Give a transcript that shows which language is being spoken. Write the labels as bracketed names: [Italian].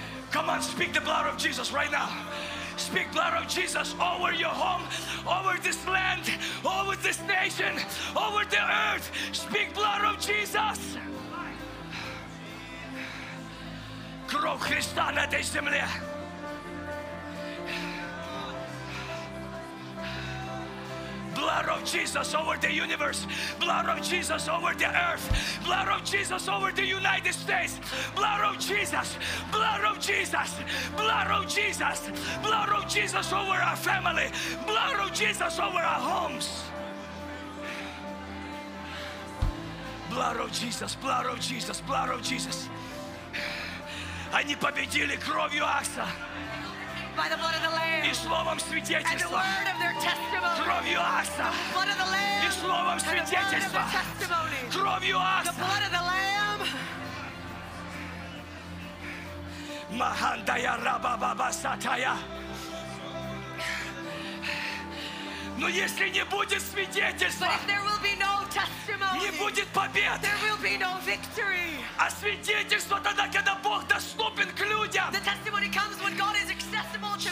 [English] Come on, speak the blood of Jesus right now. Speak blood of Jesus over your home, over this land, over this nation, over the earth. Speak blood of Jesus. [Russian] Кровь Христа на этой земле. [English] Blood of Jesus over the universe. Blood of Jesus over the earth. Blood of Jesus over the United States. Blood of Jesus. Blood of Jesus. Blood of Jesus. Blood of Jesus over our family. Blood of Jesus over our homes. Blood of Jesus. Blood of Jesus. Blood of Jesus. [Russian] Они победили кровью Агнца. [English] By the blood of the Lamb. [Russian] И словом свидетельства. [English] And the word of their testimony. [Russian] Кровью Агнца. [English] The blood of the Lamb. [Russian] И словом свидетельства. [English] And the word of their testimony. [Russian] Кровью Агнца. [English] The blood of the Lamb. Махандая раба баба сатая. [Russian] Но если не будет свидетельства, [English] but if there will be no testimony, [Russian] не будет побед, [English] there will be no victory. [Russian] А свидетельство тогда, когда Бог доступен к людям, [English] the testimony comes when God is accessible to